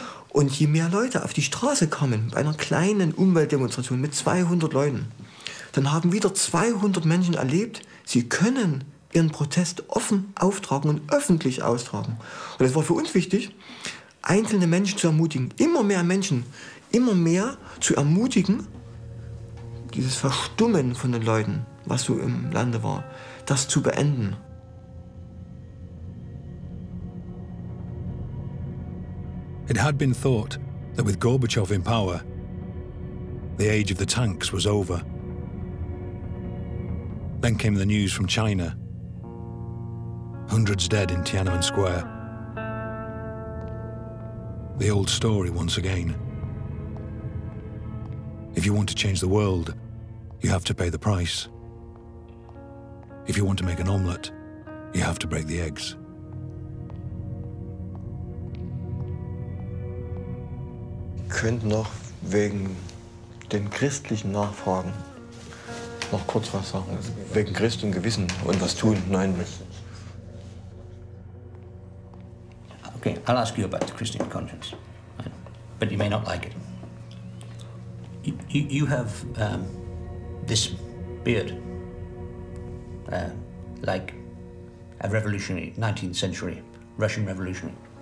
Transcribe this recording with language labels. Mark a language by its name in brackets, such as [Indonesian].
[German] Und je mehr Leute auf die Straße kommen, bei einer kleinen Umweltdemonstration mit 200 Leuten, dann haben wieder 200 Menschen erlebt, sie können ihren Protest offen auftragen und öffentlich austragen. Und es war für uns wichtig, einzelne Menschen zu ermutigen, immer mehr Menschen, immer mehr zu ermutigen, dieses Verstummen von den Leuten, was so im Lande war, das zu beenden. [English] It had been thought that with Gorbachev in power, the age of the tanks was over. Then came the news from China. Hundreds dead in Tiananmen Square. The old story once again. If you want to change the world, you have to pay the price. If you want to make an omelette, you have to break the eggs. [German] Könnt noch wegen den christlichen Nachfragen noch kurz was sagen, wegen Christ und Gewissen und was tun? Nein. [English] Okay, I'll ask you about the Christian conscience, but you may not like it. You have this beard, like a revolutionary, 19th century Russian revolutionary.